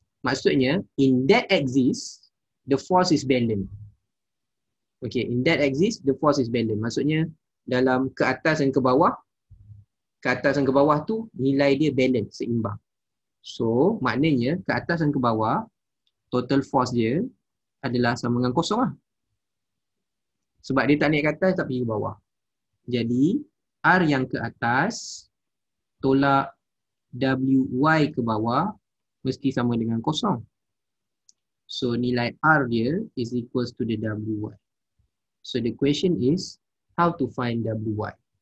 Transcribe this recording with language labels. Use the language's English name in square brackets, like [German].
[English] Maksudnya in that axis the force is balanced. Okay, in that axis the force is balanced. [Malay] Maksudnya dalam ke atas dan ke bawah, ke atas dan ke bawah tu nilai dia balanced, seimbang. So, maknanya ke atas dan ke bawah total force dia adalah sama dengan kosong lah. Sebab dia tak naik ke atas, tak pergi ke bawah. Jadi R yang ke atas tolak WY ke bawah mesti sama dengan kosong. [English] So [Malay] nilai R dia [English] is equals to the WY. So the question is how to find WY.